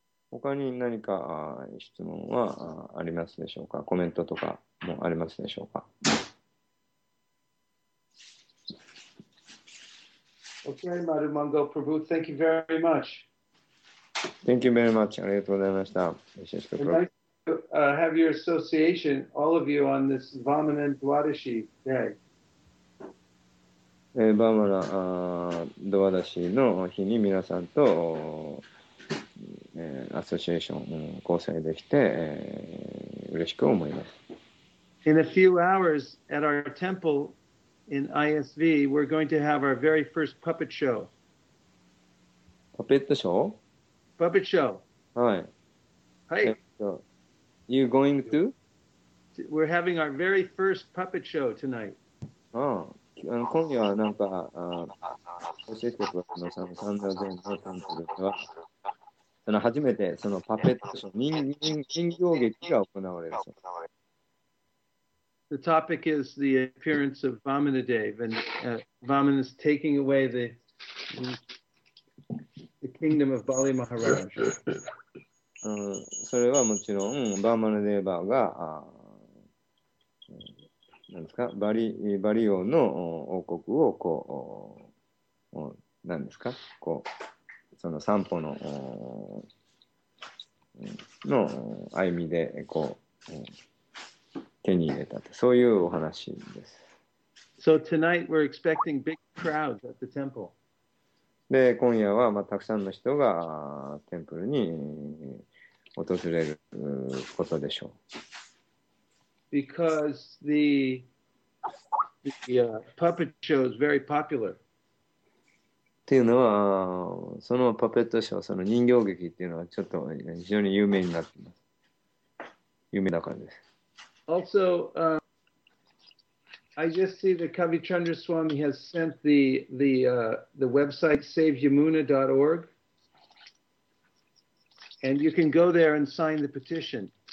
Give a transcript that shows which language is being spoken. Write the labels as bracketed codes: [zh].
[ja] ほかに何か質問はありますでしょうか。コメントとかもありますでしょうか。 [en] Okay, Marumangal Prabhu, thank you very much. Thank you very much. [ja] ありがとうございました。 [en] It's nice to have your association, all of you, on this Vamana Dwadashi day. [ja] Vamana Dwadashi の日に皆さんとアソシエーション交際できて嬉しく思います。 [en] In a few hours at our temple,In ISV, we're going to have our very first puppet show. Puppet show? Puppet show. Hi. Hi. You going to? We're having our very first puppet show tonight. [ja] Oh, 今夜はなんか、教えてくださいのその三条前のタンクルでは、その初めてそのパペットショー、人形劇が行われる。 [en] The topic is the appearance of Vamanadev and Vamana's taking away the kingdom of Bali Maharaj. [ja] それはもちろん、バーマナデーバーがなんですか、バリオンの王国をこう、なんですか、こう、その散歩の、の歩みでこう、手に入れたと、そういうお話です。 [en] So tonight we're expecting big crowds at the temple. [ja] で、今夜は、まあ、たくさんの人がテンプルに訪れることでしょう。 [en] Because the puppet show is very popular. [ja] っていうのは、そのパペットショー、その人形劇っていうのはちょっと非常に有名になっています。有名だからです。 [en] Also, I just see that Kavi Chandra Swami has sent the website saveyamuna.org. And you can go there and sign the petition.